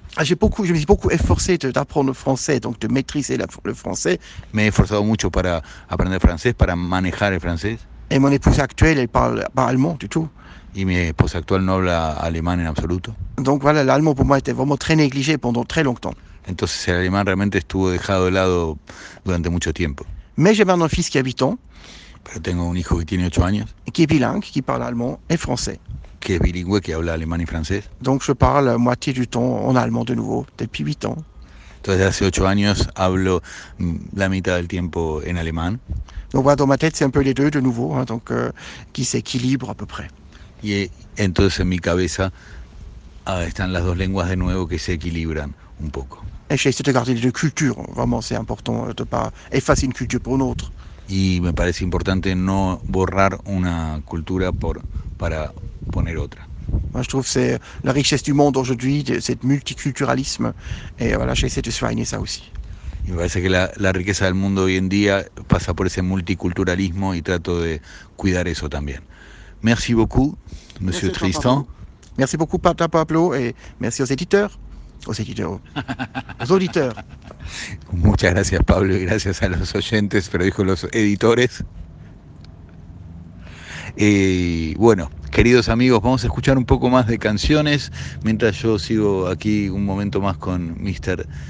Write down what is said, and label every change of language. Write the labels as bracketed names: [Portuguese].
[French] Je me suis beaucoup efforcé d'apprendre le français, donc de maîtriser le français. [Spanish] Me he esforzado mucho para aprender francés, para manejar el francés. [French] Et mon épouse actuelle, elle parle pas allemand du tout. [Spanish] Y mi esposa actual no habla alemán en absoluto. [French] Donc voilà, l'allemand pour moi était vraiment très négligé pendant très longtemps. [Spanish] Entonces el alemán realmente estuvo dejado de lado durante mucho tiempo. [French] Mais j'ai maintenant un fils qui habite en. [Spanish] Pero tengo un hijo que tiene 8 años. [French] Qui est bilingue, qui parle allemand et français. [Spanish] Que es bilingüe, que habla alemán y francés. [French] Donc je parle moitié du temps en allemand de nouveau depuis 8 ans. [Spanish] Entonces hace 8 años hablo la mitad del tiempo en alemán. [French] Donc voilà, dans ma tête c'est un peu les deux de nouveau, hein, donc qui s'équilibre à peu près. [Spanish] Y entonces en mi cabeza están las dos lenguas de nuevo que se equilibran un poco. [French] Et j'ai essayé de garder les deux cultures, vraiment c'est important de ne pas effacer une culture pour une autre. [Spanish] Y me parece importante no borrar una cultura para poner otra. [French] Moi, je trouve que c'est la richesse du monde aujourd'hui, ce multiculturalisme, et voilà, j'ai essayé de soigner ça aussi. [Spanish] Y me parece que la riqueza del mundo hoy en día pasa por ese multiculturalismo y trato de cuidar eso también. [French] Merci beaucoup, monsieur merci Tristan. Merci beaucoup, Papa Pablo, et merci aux éditeurs. Aux auditeurs. [Spanish] Muchas gracias, Pablo, y gracias a los oyentes, pero dijo los editores. Y bueno, queridos amigos, vamos a escuchar un poco más de canciones mientras yo sigo aquí un momento más con Mr.